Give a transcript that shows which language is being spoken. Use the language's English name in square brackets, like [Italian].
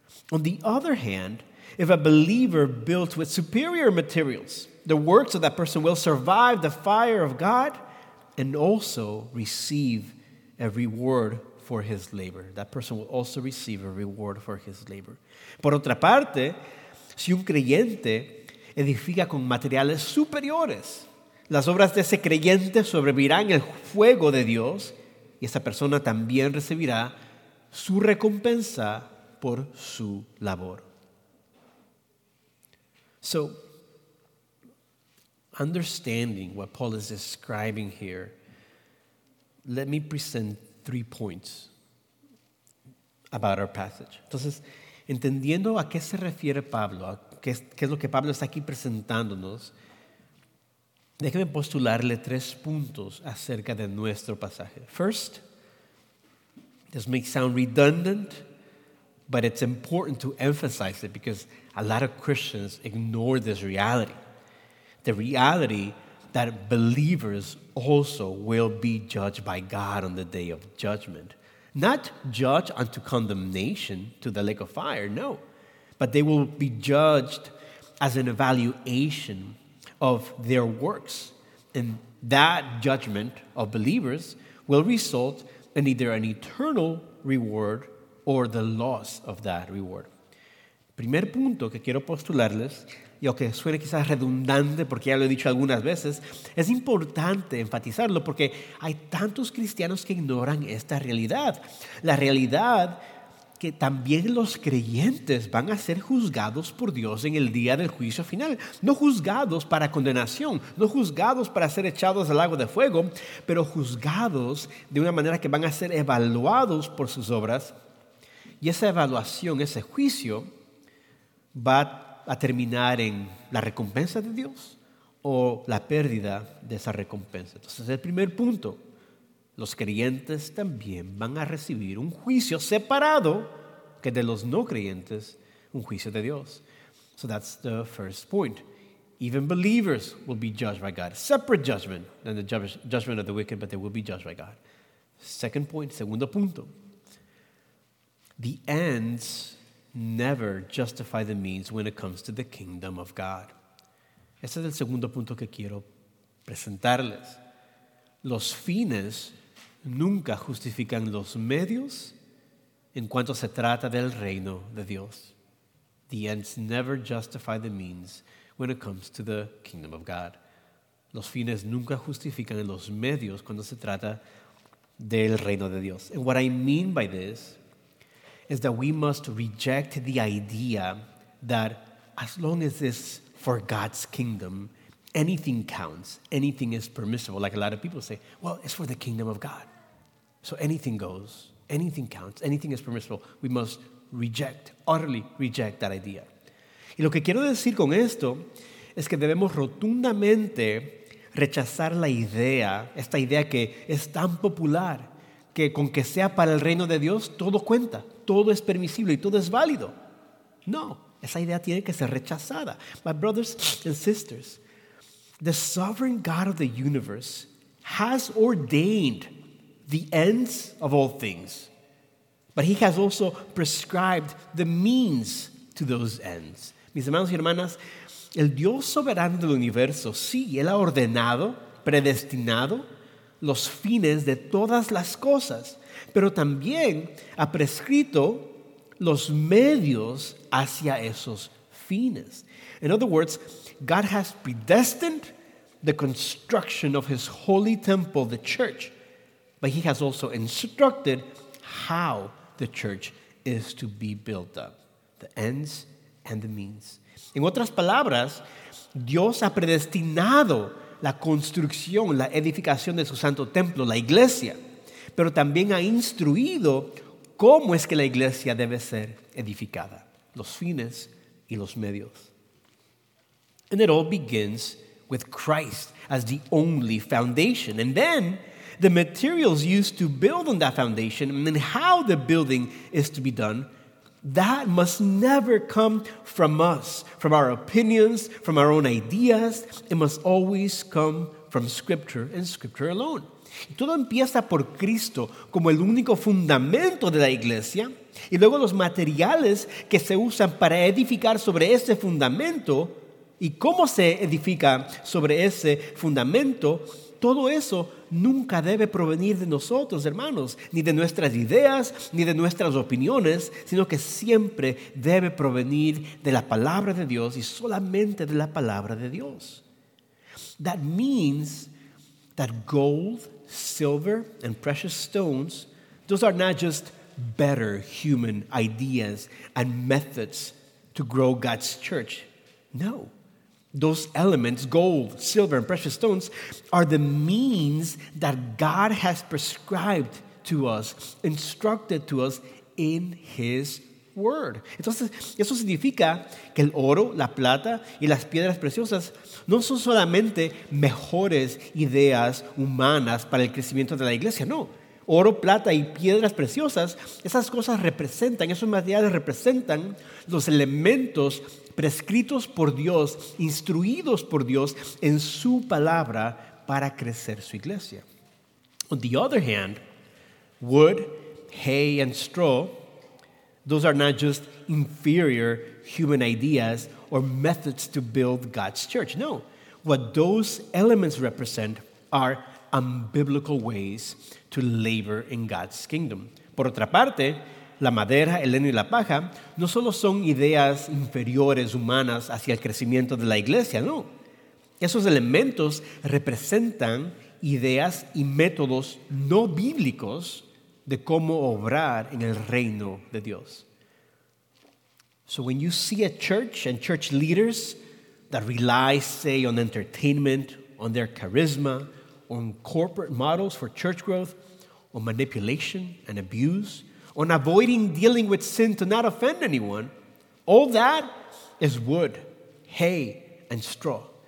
[English] On the other hand, if a believer built with superior materials, the works of that person will survive the fire of God and also receive a reward for his labor. That person will also receive a reward for his labor. [Spanish] Por otra parte, si un creyente edifica con materiales superiores, las obras de ese creyente sobrevivirán el fuego de Dios y esa persona también recibirá su recompensa por su labor. [English] So, understanding what Paul is describing here, let me present 3 points about our passage. [Spanish] Entonces, entendiendo a qué se refiere Pablo, a qué es lo que Pablo está aquí presentándonos, déjeme postularle 3 puntos acerca de nuestro pasaje. [English] First, this may sound redundant, but it's important to emphasize it because a lot of Christians ignore this reality. The reality that believers also will be judged by God on the day of judgment. Not judged unto condemnation to the lake of fire, no. But they will be judged as an evaluation of their works. And that judgment of believers will result in either an eternal reward or the loss of that reward. [Spanish] Primer punto que quiero postularles, y aunque suene quizás redundante porque ya lo he dicho algunas veces, es importante enfatizarlo porque hay tantos cristianos que ignoran esta realidad. La realidad que también los creyentes van a ser juzgados por Dios en el día del juicio final. No juzgados para condenación, no juzgados para ser echados al lago de fuego, pero juzgados de una manera que van a ser evaluados por sus obras Y esa evaluación, ese juicio, va a terminar en la recompensa de Dios o la pérdida de esa recompensa. Entonces, el primer punto, los creyentes también van a recibir un juicio separado que de los no creyentes, un juicio de Dios. [English] So that's the first point. Even believers will be judged by God. Separate judgment than the judgment of the wicked, but they will be judged by God. Second point, [Spanish] segundo punto. [English] The ends never justify the means when it comes to the kingdom of God. [Spanish] Este es el segundo punto que quiero presentarles. Los fines nunca justifican los medios en cuanto se trata del reino de Dios. [English] The ends never justify the means when it comes to the kingdom of God. [Spanish] Los fines nunca justifican los medios cuando se trata del reino de Dios. [English] And what I mean by this is that we must reject the idea that as long as it's for God's kingdom, anything counts, anything is permissible. Like a lot of people say, well, it's for the kingdom of God. So anything goes, anything counts, anything is permissible. We must reject, utterly reject that idea. [Spanish] Y lo que quiero decir con esto es que debemos rotundamente rechazar la idea, esta idea que es tan popular, que con que sea para el reino de Dios, todo cuenta, todo es permisible y todo es válido. No, esa idea tiene que ser rechazada. [English] My brothers and sisters, the sovereign God of the universe has ordained the ends of all things, but he has also prescribed the means to those ends. [Spanish] Mis hermanos y hermanas, el Dios soberano del universo, sí, él ha ordenado, predestinado los fines de todas las cosas, pero también ha prescrito los medios hacia esos fines. [English] In other words, God has predestined the construction of his holy temple, the church, but he has also instructed how the church is to be built up, the ends and the means. [Spanish] En otras palabras, Dios ha predestinado la construcción, la edificación de su santo templo, la iglesia, pero también ha instruido cómo es que la iglesia debe ser edificada, los fines y los medios. [English] And it all begins with Christ as the only foundation. And then the materials used to build on that foundation and then how the building is to be done, that must never come from us, from our opinions, from our own ideas. It must always come from Scripture and Scripture alone. [Spanish] Y todo empieza por Cristo como el único fundamento de la iglesia, y luego los materiales que se usan para edificar sobre ese fundamento y cómo se edifica sobre ese fundamento, todo eso nunca debe provenir de nosotros, hermanos, ni de nuestras ideas, ni de nuestras opiniones, sino que siempre debe provenir de la palabra de Dios y solamente de la palabra de Dios. [English] That means that gold, silver, and precious stones, those are not just better human ideas and methods to grow God's church. No. Those elements, gold, silver, and precious stones, are the means that God has prescribed to us, instructed to us in His Word. [Spanish] Entonces, eso significa que el oro, la plata y las piedras preciosas no son solamente mejores ideas humanas para el crecimiento de la iglesia, no. Oro, plata y piedras preciosas, esas cosas representan, esos materiales representan los elementos prescritos por Dios, instruidos por Dios en su palabra para crecer su iglesia. [English] On the other hand, wood, hay, and straw, those are not just inferior human ideas or methods to build God's church. No, what those elements represent are unbiblical ways to labor in God's kingdom. [Spanish] Por otra parte, la madera, el heno y la paja no solo son ideas inferiores humanas hacia el crecimiento de la iglesia, no. Esos elementos representan ideas y métodos no bíblicos de cómo obrar en el reino de Dios. [English] So when you see a church and church leaders that rely, say, on entertainment, on their charisma, on corporate models for church growth, on manipulation and abuse, on avoiding dealing with sin to not offend anyone, all that is wood, hay, and straw.